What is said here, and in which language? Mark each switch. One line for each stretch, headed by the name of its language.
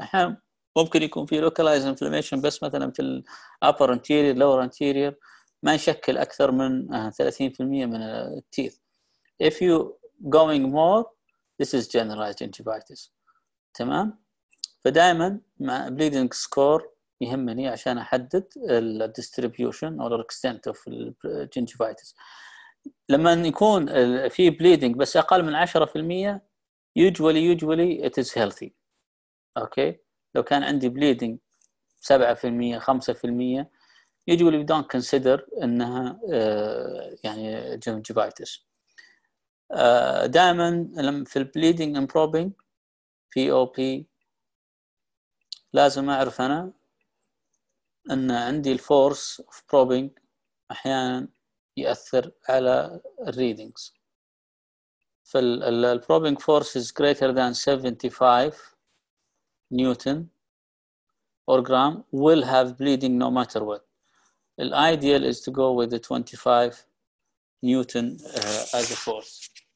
Arabic: أحيانا ممكن يكون في
English: localized inflammation
Arabic: بس مثلا في ال
English: upper anterior lower anterior
Arabic: ما يشكل أكثر من 30% من التيث.
English: If you going more, this is generalized gingivitis.
Arabic: تمام؟ فدائما مع
English: bleeding score
Arabic: يهمني عشان أحدد ال
English: distribution or extent of gingivitis.
Arabic: لما يكون في
English: bleeding
Arabic: بس أقل من
English: 10%, usually it is healthy. Okay.
Arabic: لو كان عندي
English: bleeding 7% 5%, usually we don't consider
Arabic: إنها يعني
English: gingivitis.
Arabic: دائما لما في
English: bleeding and probing,
Arabic: POP, لازم أعرف أنا أن عندي الفورس
English: of probing
Arabic: أحيانا يأثر على readings.
English: فال probing force is greater than 75 newton or gram will have bleeding no matter what. The ideal is to go with the 25 newton as a force.